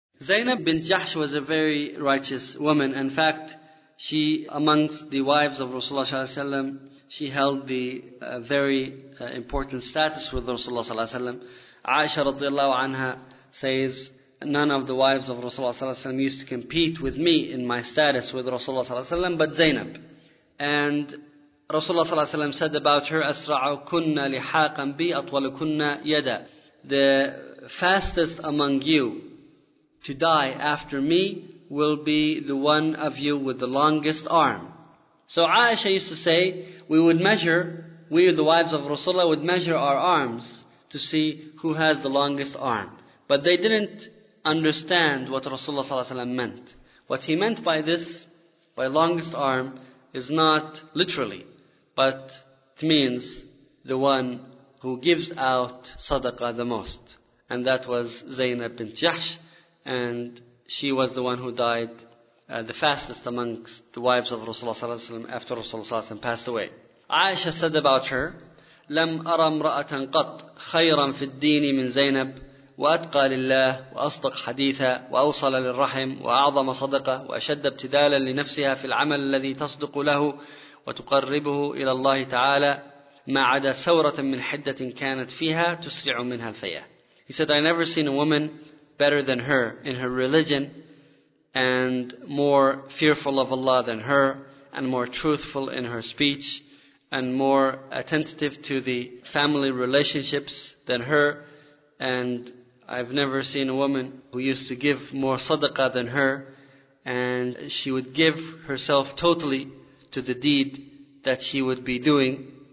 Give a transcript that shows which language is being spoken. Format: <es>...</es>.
<en>Zainab bint Jahsh was a very righteous woman. In fact, she, amongst the wives of Rasulullah ﷺ, she held the very important status with Rasulullah ﷺ. Aisha radiallahu anha says, none of the wives of Rasulullah ﷺ used to compete with me in my status with Rasulullah ﷺ, but Zainab.</en> <ar>And Rasulullah ﷺ said about her, أَسْرَعُ كُنَّ لِحَاقًا بِي أَطْوَلُكُنَّ يَدًا.</ar> <en>The fastest among you to die after me will be the one of you with the longest arm. So Aisha used to say, we, the wives of Rasulullah, would measure our arms to see who has the longest arm. But they didn't understand what Rasulullah ﷺ meant. What he meant by this, by longest arm, is not literally, but it means the one who gives out sadaqah the most. And that was Zainab bint Jahsh, and she was the one who died the fastest amongst the wives of Rasulullah ﷺ after Rasulullah ﷺ passed away.</en> <ar>Aisha said about her, لَمْ أَرَى امْرَأَةً قَطْ خَيْرًا فِي الدِّينِ مِنْ زَيْنَبٍ وأتقى لله وأصدق حديثا وأوصل للرحم وأعظم صدقة وأشد ابتذالا لنفسها في العمل الذي تصدق له وتقربه إلى الله تعالى ما عدا ثورة من حدة كانت فيها تسرع منها الفيا.</ar> <en>He said, I never seen a woman better than her in her religion and more fearful of Allah than her and more truthful in her speech and more attentive to the family relationships than her. And I've never seen a woman who used to give more sadaqah than her, and she would give herself totally to the deed that she would be doing.</en>